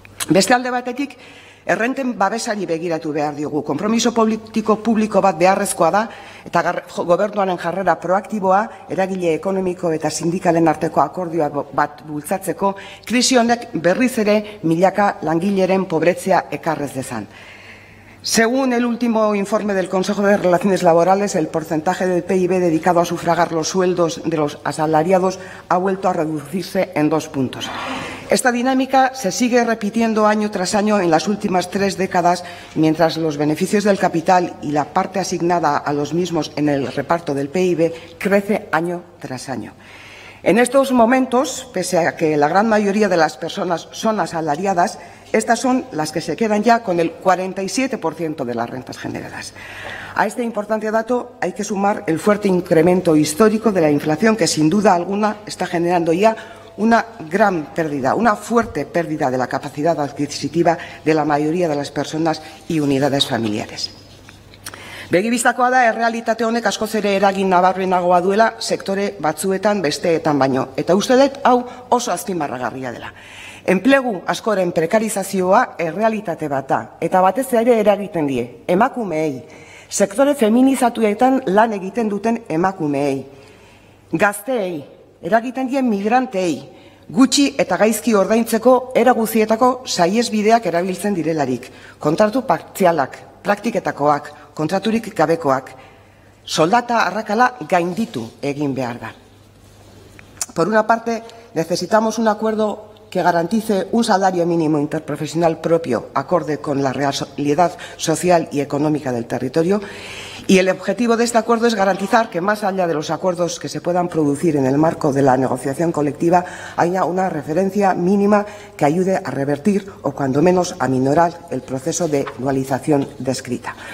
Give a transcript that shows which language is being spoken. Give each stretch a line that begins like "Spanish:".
Basque: Beste alde batetik, errenten babesari begiratu behar diogu. Konpromiso politiko publiko bat beharrezkoa da, eta gobernuaren jarrera proaktiboa, eragile ekonomiko eta sindikalen arteko akordioa bat bultzatzeko, krisi honek berriz ere milaka langileren pobretzea ekarrez dezan.
Spanish: Según el último informe del Consejo de Relaciones Laborales, el porcentaje del PIB dedicado a sufragar los sueldos de los asalariados ha vuelto a reducirse en 2 puntos. Esta dinámica se sigue repitiendo año tras año en las últimas 3 décadas, mientras los beneficios del capital y la parte asignada a los mismos en el reparto del PIB crece año tras año. En estos momentos, pese a que la gran mayoría de las personas son asalariadas, estas son las que se quedan ya con el 47% de las rentas generadas. A este importante dato hay que sumar el fuerte incremento histórico de la inflación, que sin duda alguna está generando ya una gran pérdida, una fuerte pérdida de la capacidad adquisitiva de la mayoría de las personas y unidades familiares.
Basque: Begibistakoa da, errealitate honek askoz ere eragin nabarmenagoa duela sektore batzuetan besteetan baino. Eta uste dut, hau oso azpimarragarria dela. Enplegu askoren prekarizazioa errealitate bat da, eta batez ere eragiten die, emakumeei, sektore feminizatuetan lan egiten duten emakumeei, gazteei, eragiten die migranteei, gutxi eta gaizki ordaintzeko eraguzietako saiesbideak erabiltzen direlarik, kontratu partzialak, praktiketakoak, kontraturik gabekoak, soldata arrakala gainditu egin behar da.
Spanish: Por una parte, necesitamos un acuerdo que garantice un salario mínimo interprofesional propio, acorde con la realidad social y económica del territorio, y el objetivo de este acuerdo es garantizar que, más allá de los acuerdos que se puedan producir en el marco de la negociación colectiva, haya una referencia mínima que ayude a revertir o, cuando menos, a minorar el proceso de dualización descrita.